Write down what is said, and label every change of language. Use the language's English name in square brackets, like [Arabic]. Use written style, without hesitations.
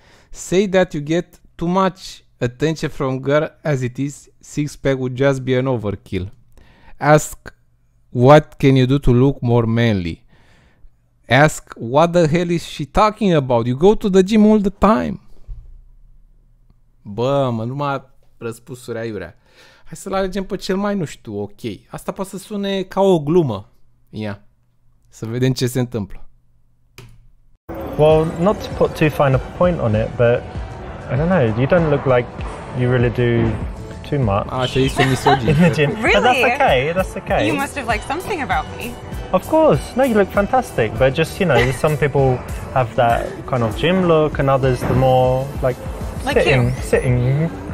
[English] Say that you get too much attention from girl as it is, six pack would just be an overkill. Ask what can you do to look more manly. Ask what the hell is she talking about? You go to the gym all the time. [Romanian] Bă, mă, numai răspunsuri aiurea. Hai să-l alegem pe cel mai nu știu, ok. Asta poate să sune ca o glumă. Ia, să vedem ce se întâmplă. [English] Well, not to put too fine a point on it, but I don't know, you don't look like you really do too much. Ah, so you're misogynist. Really? But that's okay. You must have liked something about me. Of course. No, you look fantastic. But just, you know, some people have that kind of gym look and others the more like sitting, chilling